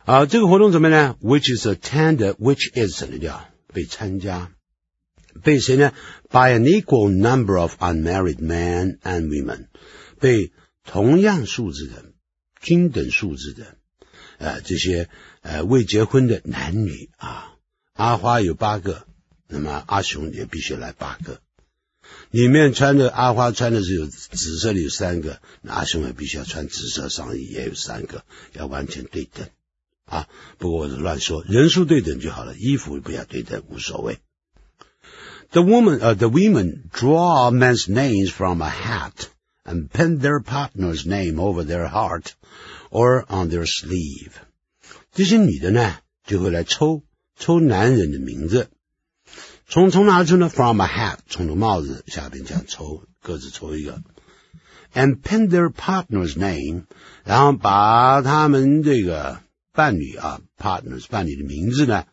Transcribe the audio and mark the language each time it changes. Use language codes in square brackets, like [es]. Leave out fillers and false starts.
[zh] 这个活动怎么样呢 ？ [en] Which is attended, which is [zh] 省掉被参加，被谁呢 ？ [en] By an equal number of unmarried men and women， [zh] 被同样数字的、均等数字的，这些未结婚的男女啊，阿花有八个，那么阿雄也必须来八个。里面穿的阿花穿的是有紫色的有三个，那阿雄也必须要穿紫色上衣也有三个，要完全对等。啊，不过我是乱说，人数对等就好了，衣服不要对等，无所谓。 [en] The women draw men's names from a hat and pin their partner's name over their heart or on their sleeve。 [zh] 这些女的呢，就会来抽男人的名字，从哪抽呢 ？ [en] From a hat， [zh] 从头帽子下边这样抽，各自抽一个。 [en] And pin their partner's name， [zh] 然后把他们这个。伴侣啊 ， [en] partners， [zh] 伴侣的名字呢？